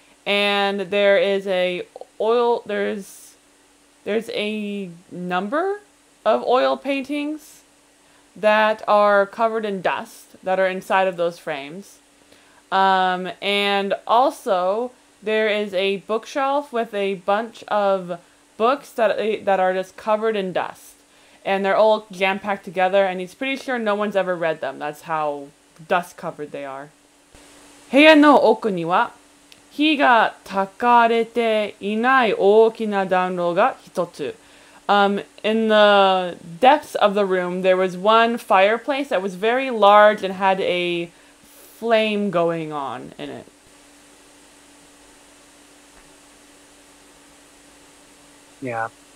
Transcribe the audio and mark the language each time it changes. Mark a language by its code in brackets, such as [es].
[en] And there is a number of oil paintings that are covered in dust that are inside of those frames. And also there is a bookshelf with a bunch of books that are just covered in dust. And they're all jam-packed together, and he's pretty sure no one's ever read them. That's how dust-covered they are. [ja] 部屋の奥には火が焚かれていない大きな暖炉が一つ。 [en] In the depths of the room, there was one fireplace that was very large and had a flame going on in it. Yeah.